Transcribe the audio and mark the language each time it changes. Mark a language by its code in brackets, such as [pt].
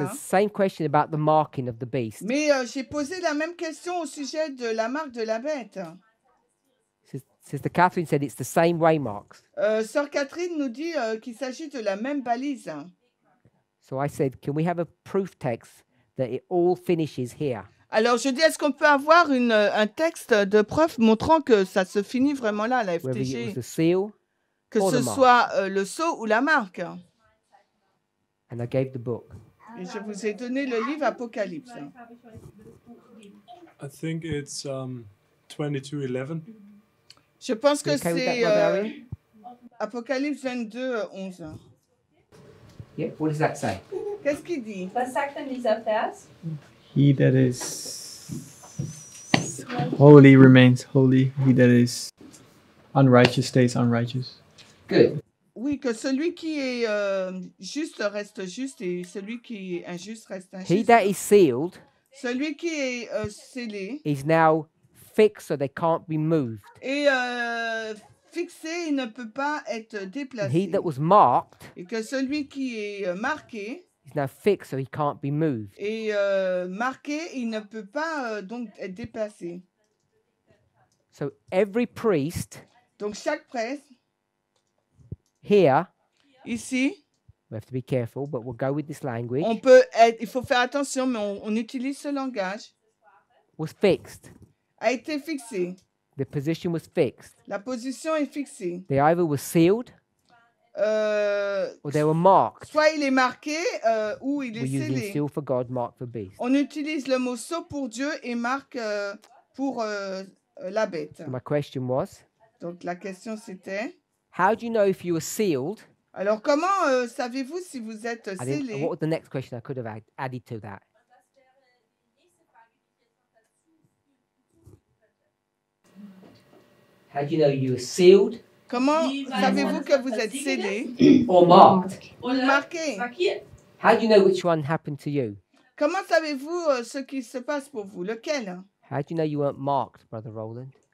[en] I asked the same question about the marking of the beast. [fr] Mais j'ai posé la même question au sujet de la marque de la bête. [en] Sister Catherine said it's the same way marks. [fr] Sœur Catherine nous dit qu'il s'agit de la même balise. [en] So I said, can we have a proof text that it all finishes here? [fr] Alors je dis, est-ce qu'on peut avoir un texte de preuve montrant que ça se finit vraiment là, la FTG? [en] Whether it was the seal [fr] que [en] or [fr] ce [en] the [fr] soit [en] mark. [fr] Le sceau ou la marque. [en] And I gave the book. [fr] Et je vous ai donné le livre Apocalypse. [en] I think it's 22:11. [fr] Je pense que c'est Apocalypse 22:11. [en] Yeah, what does that say? [fr] Qu'est-ce qu'il dit? [de] Was sagt denn dieser Vers? [en] He that is holy remains holy. He that is unrighteous stays unrighteous. Good. [fr] Oui, que celui qui est juste reste juste et celui qui est injuste reste injuste. [en] He that is sealed. [fr] Celui qui est scellé. [en] Is now fixed, so they can't be moved. [fr] Et fixé, il ne peut pas être déplacé. [en] He that was marked. [fr] Et que celui qui est marqué. [en] Is now fixed, so he can't be moved. [fr] Et marqué, il ne peut pas donc être déplacé. [en] So every priest. [fr] Donc chaque prêtre. [en] Here, [fr] ici, [en] we have to be careful, but we'll go with this language. [fr] On peut être, il faut faire attention, mais on utilise ce langage. [en] Was fixed. [fr] A été fixé. [en] The position was fixed. [fr] La position est fixée. [en] They either were sealed, or they were marked. [fr] Soit il est marqué, ou il est scellé. [en] We're using seal for God, mark for beast. [fr] On utilise le mot sceau pour Dieu et marque pour la bête. [en] My question was. [fr] Donc la question c'était. [en] How do you know if you are sealed? [fr] Alors comment savez-vous si vous êtes scellé? [en] What was the next question I could have added to that? How do you know you are sealed? [fr] Comment savez-vous que vous êtes scellé? [en] Or marked? [fr] Ou marqué? [en] How do you know which one happened to you? [fr] Comment savez-vous ce qui se passe pour vous? Lequel? [en] How do you know you weren't marked, Brother Roland?